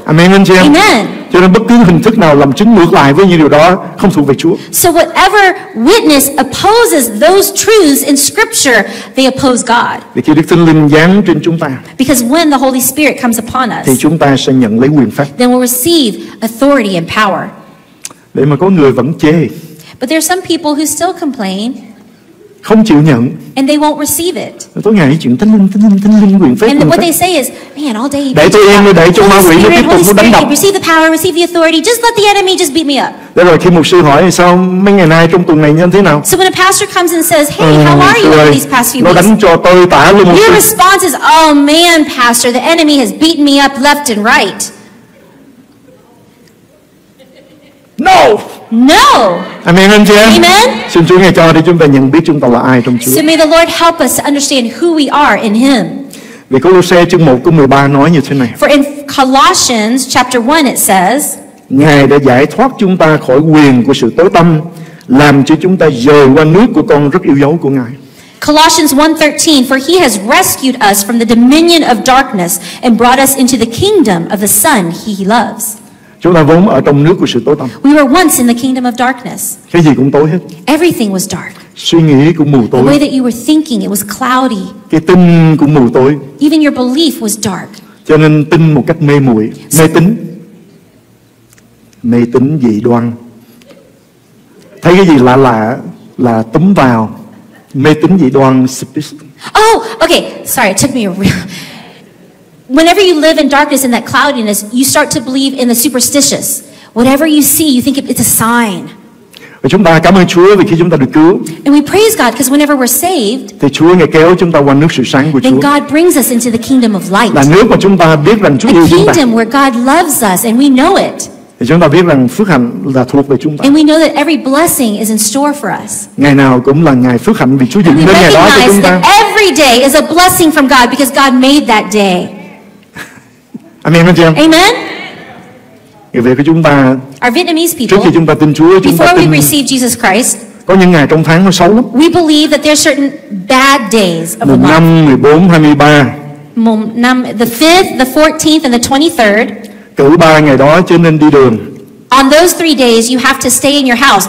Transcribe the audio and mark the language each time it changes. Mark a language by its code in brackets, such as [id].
[vi] Amen, anh chị em. [en] Amen. [vi] Cho nên bất cứ hình thức nào làm chứng ngược lại với những điều đó không thuộc về Chúa. [en] So whatever witness opposes those truths in Scripture, they oppose God. [vi] Vì khi Đức Thánh Linh giáng trên chúng ta. [en] Because when the Holy Spirit comes upon us. [vi] Thì chúng ta sẽ nhận lấy quyền phép. [en] Then we'll receive authority and power. [vi] Để mà có người vẫn chê. [en] But there are some people who still complain. [vi] không chịu nhận. [en] And they won't receive it. [vi] Tôi nghe chuyện thánh linh quyền phép. [en] And what they say is, man, all day. [vi] Để tôi yên, để cho ma quỷ nó tiếp tục đánh đập. [en] Receive the power, receive the authority. Just let the enemy just beat me up. [vi] Để rồi khi mục sư hỏi sao mấy ngày nay trong tuần này như thế nào? [en] So when a pastor comes and says, hey, how are you over these past few weeks? [vi] Nó đánh cho tôi tả luôn. [en] Your response is, oh man, pastor, the enemy has beaten me up left and right. No. No. [vi] Amen, anh chị em. [en] Amen. [vi] Xin Chúa ngài cho để chúng ta nhận biết chúng ta là ai trong Chúa. [en] So may the Lord help us to understand who we are in Him. [vi] Vì Colossae chương 1 câu 13 nói như thế này. [en] For in Colossians chapter 1 it says, [vi] ngài đã giải thoát chúng ta khỏi quyền của sự tối tăm, làm cho chúng ta dời qua nước của con rất yêu dấu của ngài. [en] Colossians 1:13, for He has rescued us from the dominion of darkness and brought us into the kingdom of the Son He loves. [vi] Chúng ta vốn ở trong nước của sự tối tăm. [en] We were once in the kingdom of darkness. [vi] Cái gì cũng tối hết. [en] Everything was dark. [vi] Suy nghĩ cũng mù tối. [en] The way that you were thinking, it was cloudy. [vi] Cái tin cũng mù tối. [en] Even your belief was dark. [vi] Cho nên tin một cách mê muội, mê tín. Mê tín dị đoan. Thấy cái gì lạ lạ là túm vào. Mê tín dị đoan. [en] Oh, okay. Sorry, it took me a real... Whenever you live in darkness and that cloudiness, you start to believe in the superstitious. Whatever you see, you think it's a sign. [vi] Và chúng ta cảm ơn Chúa vì khi chúng ta được cứu. [en] And we praise God because whenever we're saved, [vi] thì Chúa ngài kéo chúng ta qua nước sự sáng của Chúa. [en] Then God brings us into the kingdom of light. [vi] Là nước mà chúng ta biết rằng Chúa yêu chúng ta. [en] A kingdom where God loves us and we know it. [vi] Thì chúng ta biết rằng phước hạnh là thuộc về chúng ta. [en] And we know that every blessing is in store for us. [vi] Ngày nào cũng là ngày phước hạnh vì Chúa dựng nên ngày đó cho chúng ta. [en] Every day is a blessing from God because God made that day. [vi] Amen, anh chị em. [en] Amen. [vi] Người Việt của chúng ta, [en] our Vietnamese people, [vi] trước khi chúng ta tin Chúa, chúng [en] before [vi] ta tin, [en] we receive Jesus Christ, [vi] có những ngày trong tháng nó xấu lắm. [en] We believe that there are certain bad days of [vi] mùng 5, 14, 23. [en] Mùng 5, the 5th, the 14th, and the 23rd. [vi] Cứ ba ngày đó cho nên đi đường. [en] On those three days, you have to stay in your house.